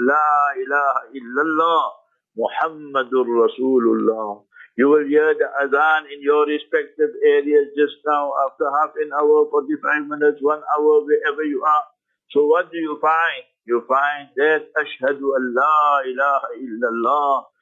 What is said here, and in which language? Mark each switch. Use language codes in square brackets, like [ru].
[ar] لا إله إلا الله محمد رسول الله. [en] You will hear the adhan in your respective areas just now after half an hour, 45 minutes, 1 hour, wherever you are. So what do you find? You find that [ar] أَشْهَدُ أَنْ لَا إِلَهَ إِلَّا اللَّهِ.